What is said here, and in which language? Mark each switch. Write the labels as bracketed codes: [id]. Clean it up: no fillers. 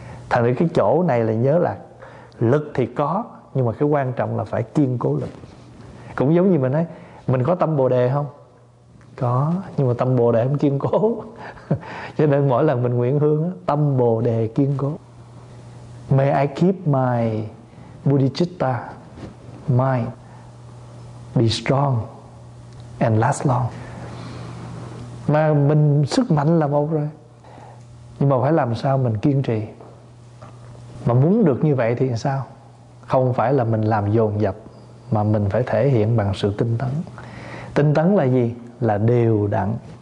[vi] Thành ra cái chỗ này là nhớ là lực thì có, nhưng mà cái quan trọng là phải kiên cố lực. Cũng giống như mình nói, mình có tâm bồ đề không? Có, nhưng mà tâm bồ đề không kiên cố. Cho nên mỗi lần mình nguyện hương, tâm bồ đề kiên cố. [en] May I keep my bodhicitta mind be strong and last long. [vi] Mà mình sức mạnh là một rồi, nhưng mà phải làm sao mình kiên trì. Mà muốn được như vậy thì sao? Không phải là mình làm dồn dập, mà mình phải thể hiện bằng sự tinh tấn. Tinh tấn là gì? Là đều đặn.